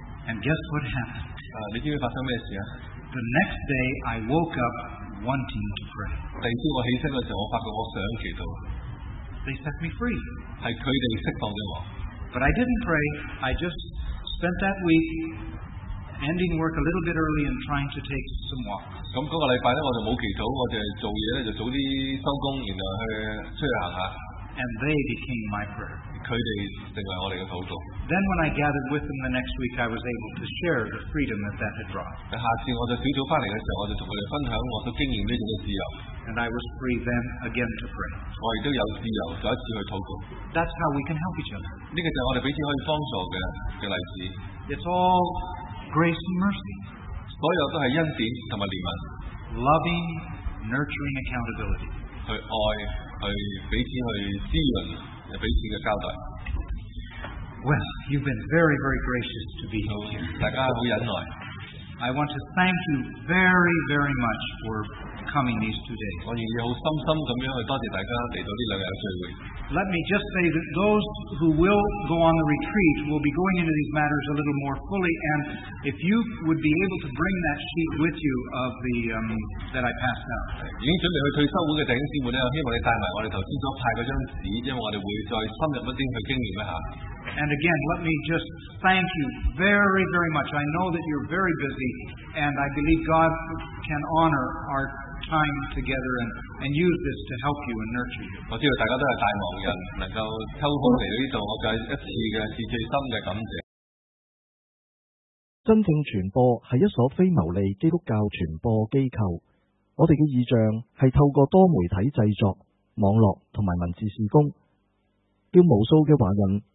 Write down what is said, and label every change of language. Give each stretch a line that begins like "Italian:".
English: And guess what happened?
Cantonese: 你知唔知發生咩事啊
English: ？The next day, I woke up wanting to pray.
Cantonese: 第二朝我起身嘅時候，我發覺我想祈禱。
English: They set me free.
Cantonese: 係佢哋釋放咗我。
English: But I didn't pray. I just spent that week. Ending work a little bit early and trying to take some walks.
Cantonese: 咁嗰個禮拜咧，我就冇祈禱，我就做嘢咧就早啲收工，然後去出去行下。
English: And they became my prayer.
Cantonese: 佢哋成為我哋嘅禱告。
English: Then when I gathered with them the next week, I was able to share the freedom that had brought.
Cantonese: 下次我就小組翻嚟嘅時候，我就同佢哋分享我所經驗呢種嘅自由。
English: And I was free then again to pray.
Cantonese: 我亦都有自由再一次去禱告。
English: That's how we can help each other.
Cantonese: 呢個就係我哋彼此可以幫助嘅例子。
English: It's all. Grace and mercy.
Cantonese: 所有都是恩典同埋怜悯。
English: Loving, nurturing accountability.
Cantonese: 去爱，去彼此去滋润，彼此嘅交代。
English: Well, you've been very, very gracious to be here.
Cantonese: 大家好忍耐。
English: I want to thank you very, very much for coming these 2 days.
Cantonese: 我願意好深深咁樣去多謝大家嚟到呢兩日嘅聚會。
English: Let me just say that those who will go on the retreat will be going into these matters a little more fully, and if you would be able to bring that sheet with you of the, that I passed out.
Cantonese: 已經準備去退休會嘅弟兄姊妹咧，希望你帶埋我哋頭先所派嗰張紙，因為我哋會再深入一啲去經驗一下。
English: And again, let me just thank you very, very much. I know that you're very busy, and I believe God can honor our time together and use this to help you and nurture you.
Cantonese: 我知道大家都是大忙人，能够抽空嚟到呢度，我就一次嘅至最深嘅感谢。真正传播是一所非牟利基督教传播机构，我哋嘅意象是透过多媒体制作、网络同埋文字事工，叫无数嘅华人。